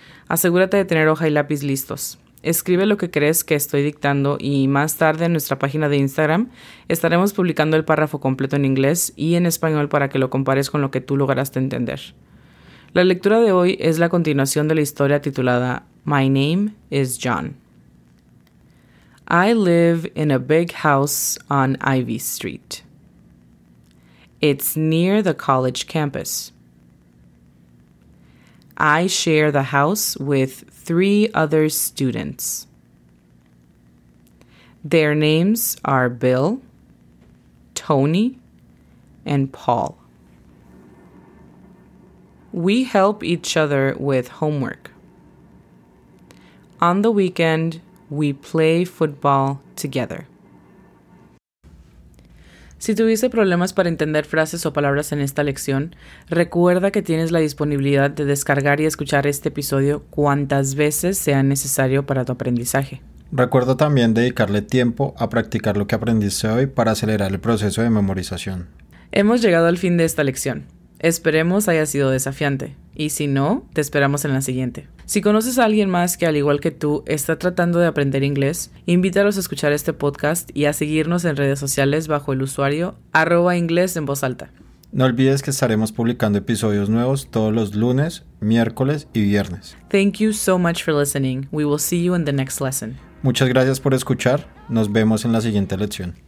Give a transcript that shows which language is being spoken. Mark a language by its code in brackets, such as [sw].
[es] Asegúrate de tener hoja y lápiz listos. Escribe lo que crees que estoy dictando y más tarde en nuestra página de Instagram estaremos publicando el párrafo completo en inglés y en español para que lo compares con lo que tú lograste entender. La lectura de hoy es la continuación de la historia titulada [en] My Name is John. I live in a big house on Ivy Street. It's near the college campus. I share the house with 3 other students. Their names are Bill, Tony, and Paul. We help each other with homework. On the weekend, we play football together. [es] Si tuviste problemas para entender frases o palabras en esta lección, recuerda que tienes la disponibilidad de descargar y escuchar este episodio cuantas veces sea necesario para tu aprendizaje. Recuerda también dedicarle tiempo a practicar lo que aprendiste hoy para acelerar el proceso de memorización. Hemos llegado al fin de esta lección. Esperemos haya sido desafiante. Y si no, te esperamos en la siguiente. Si conoces a alguien más que, al igual que tú, está tratando de aprender inglés, invítalos a escuchar este podcast y a seguirnos en redes sociales bajo el usuario @inglesenvozalta. No olvides que estaremos publicando episodios nuevos todos los lunes, miércoles y viernes. [en] Thank you so much for listening. We will see you in the next lesson. [es] Muchas gracias por escuchar. Nos vemos en la siguiente lección.